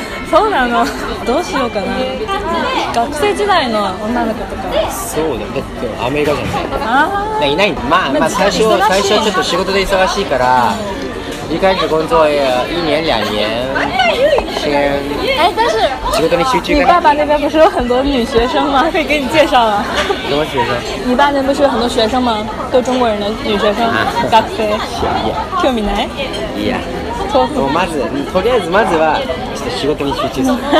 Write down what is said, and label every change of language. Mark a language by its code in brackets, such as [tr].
[ja] そうなの、どうしようかな、学生時代の女の子とか、そうだ、だってアメリカじゃない、いないんだ、まあ、まあ、最初はちょっと仕事で忙しいから、 [zh] 一回始工作一年两年先、 [ja] 仕事に集中かな、 [zh] 你爸爸那边不是有很多女学生吗？可以给你介绍啊。什么学生？你爸那不是有很多学生吗？都中国人的女学生，学生。 [ja] 興味ない？いや。もうまず、とりあえずまずはちょっと仕事に集中する。